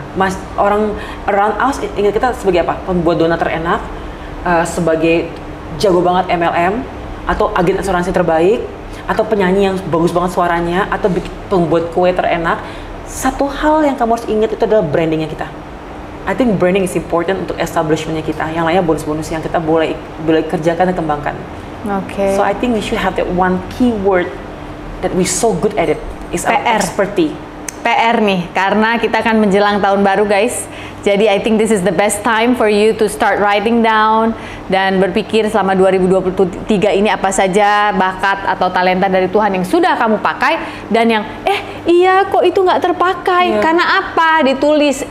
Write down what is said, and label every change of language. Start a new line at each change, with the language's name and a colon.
Indonesian: Mas, orang
English: around us
Indonesian: ingat kita sebagai apa? Pembuat donat terenak, sebagai jago banget MLM, atau agen asuransi terbaik, atau penyanyi yang bagus banget suaranya, atau pembuat kue terenak. Satu hal yang kamu harus ingat itu adalah brandingnya kita.
English: I think branding is important
Indonesian: untuk establishmentnya kita. Yang lainnya bonus-bonus yang kita boleh kerjakan dan kembangkan.
English: So I think we should have that one keyword that we so good at it is
Indonesian: PR. PR nih, karena kita akan menjelang tahun baru guys. Jadi
English: I think this is the best time for you to start writing down
Indonesian: dan berpikir selama 2023 ini apa saja bakat atau talenta dari Tuhan yang sudah kamu pakai dan yang iya kok itu gak terpakai, karena apa, ditulis.